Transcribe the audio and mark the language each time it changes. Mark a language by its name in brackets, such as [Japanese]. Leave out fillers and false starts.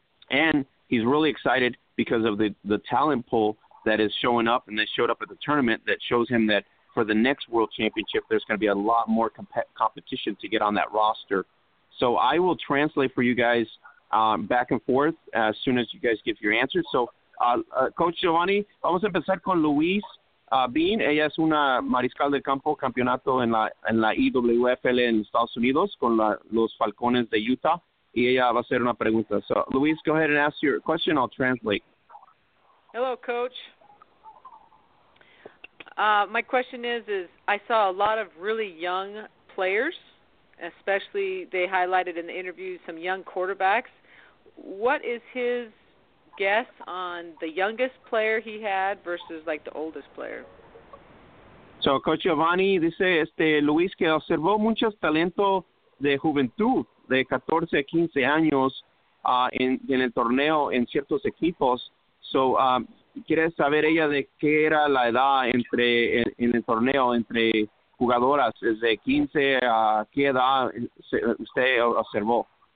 [English] And he's really excited because of the talent pool that is showing up and that showed up at the tournament, that shows him that for the next World Championship, there's going to be a lot more competition to get on that roster. So I will translate for you guys back and forth as soon as you guys give your answers. [Spanish] So, Coach Giovanni, vamos a empezar con Luis Bean. Ella es una mariscal de campo campeonato en la IWFL en Estados Unidos con los Falcones de Utah. Y ella va a hacer una pregunta. [English] So, Luis, go ahead and ask your question. I'll translate. Hello, Coach. My question is I saw a lot of really young players, especially they highlighted in the interview some young quarterbacks. What is his guess on the youngest player he had versus, like, the oldest player? [Spanish] So, Coach Giovanni dice, Luis, que observó muchos talentos de juventud de 14, 15 años en el torneo en ciertos equipos. So, quiere saber ella de qué era la edad entre en el torneo entre jugadoras, es de 15 a qué edad usted observó.